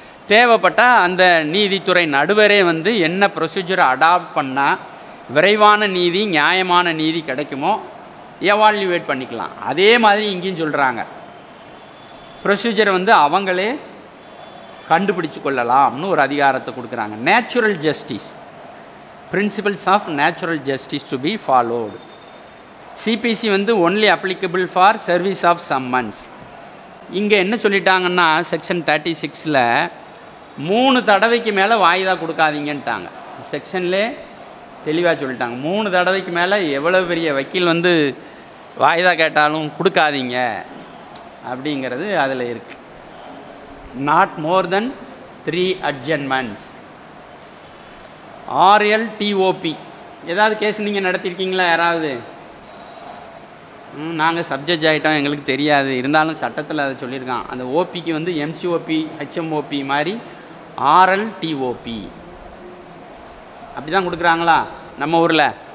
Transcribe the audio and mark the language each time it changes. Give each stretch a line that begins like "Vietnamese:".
Tamil: தேவைப்பட்டால் அந்த நீதித்துறை நடுவரே வந்து என்ன ப்ரொசீஜரை அடாப்ட் பண்ணால் விரைவான நீதி நியாயமான நீதி கிடைக்குமோ எவால்யூவேட் பண்ணிக்கலாம். அதே மாதிரி இங்கேயும் சொல்கிறாங்க ப்ரொசீஜரை வந்து அவங்களே கண்டுபிடிச்சு கொள்ளலாம்னு ஒரு அதிகாரத்தை கொடுக்குறாங்க.
English: Natural justice principles of natural justice to be followed. CPC வந்து only applicable for service of summons.
Tamil: இங்கே என்ன சொல்லிட்டாங்கன்னா செக்ஷன் 36ல் மூணு தடவைக்கு மேலே வாய்தா கொடுக்காதீங்கன்ட்டாங்க. செக்ஷன்லே தெளிவாக சொல்லிட்டாங்க மூணு தடவைக்கு மேலே எவ்வளோ பெரிய வக்கீல் வந்து வாய்தா கேட்டாலும் கொடுக்காதீங்க அப்படிங்கிறது அதில் இருக்கு.
English: Not more than 3 adjournments.
Tamil: RLTOP ஏதாவது கேஸ் நீங்கள் நடத்தியிருக்கீங்களா யாராவது? நாங்கள் சப்ஜெக்ட் ஆகிட்டோம் எங்களுக்கு தெரியாது, இருந்தாலும் சட்டத்தில் அதை சொல்லியிருக்கான். அந்த ஓபிக்கு வந்து MCOP HMOP மாதிரி RLTOP அப்படி தான் கொடுக்குறாங்களா நம்ம ஊரில்?